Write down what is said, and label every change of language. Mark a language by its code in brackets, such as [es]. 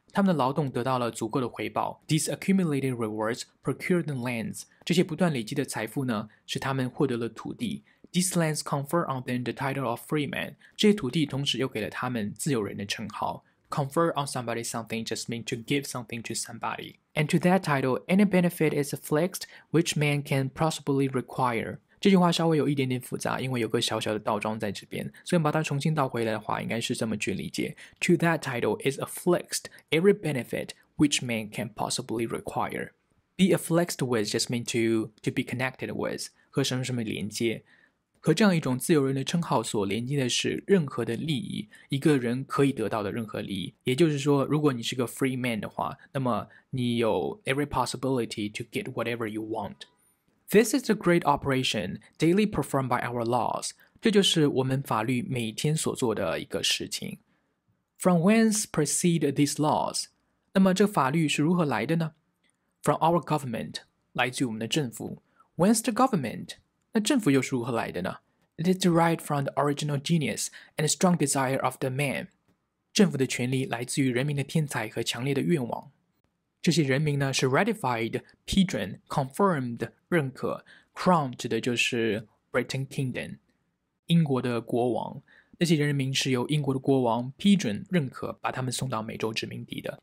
[zh] 他们的劳动得到了足够的回报。 [en] These accumulated rewards procure them lands. [zh] 这些不断累积的财富呢，使他们获得了土地。 [en] These lands confer on them the title of freeman. [zh] 这些土地同时又给了他们自由人的称号。 [en] Confer on somebody something just means to give something to somebody. And to that title, any benefit is affixed which man can possibly require. [zh] 这句话稍微有一点点复杂，因为有个小小的倒装在这边，所以把它重新倒回来的话，应该是这么去理解。 [en] To that title is affixed every benefit which man can possibly require. Be affixed with just means to be connected with, [zh] 和什么什么连接。和这样一种自由人的称号所连接的是任何的利益，一个人可以得到的任何利益。也就是说，如果你是个 free man 的话，那么你有 [en] every possibility to get whatever you want. This is a great operation daily performed by our laws. [zh] 这就是我们法律每天所做的一个事情。 [en] From whence proceed these laws? [zh] 那么这法律是如何来的呢？ [en] From our government, [zh] 来自于我们的政府。 [en] Whence the government? [zh] 那政府又是如何来的呢? [en] It is derived from the original genius and strong desire of the man. [zh] 政府的权力来自于人民的天才和强烈的愿望。这些人民呢是 ratified, 批准, confirmed, 认可。 Crown 指的就是 Britain Kingdom, 英国的国王。那些人民是由英国的国王批准认可把他们送到美洲殖民地的。